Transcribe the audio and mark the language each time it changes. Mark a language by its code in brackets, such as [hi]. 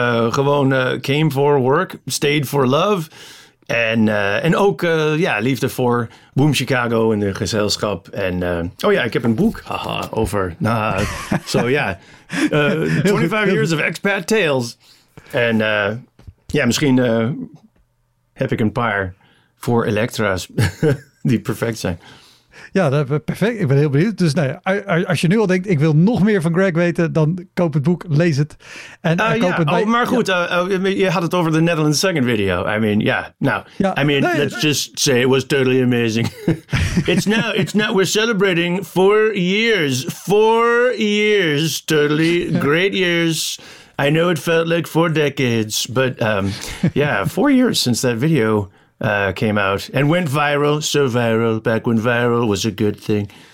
[nl] Gewoon [en] came for work, stayed for love. [nl] En ook liefde voor Boom Chicago en de gezelschap. En ik heb een boek over. [en] So 25 years of expat tales. [nl] En misschien heb ik een paar voor Elektra's die perfect zijn. Ja, perfect. Ik ben heel benieuwd. Dus als je nu al denkt, ik wil nog meer van Greg weten, dan koop het boek, lees het. Je had het over de Netherlands Second video. [en] Let's just say it was totally amazing. It's now, we're celebrating 4 years. 4 years, totally great years. I know it felt like 4 decades, but 4 years since that video came out and went viral, so viral, back when viral was a good thing.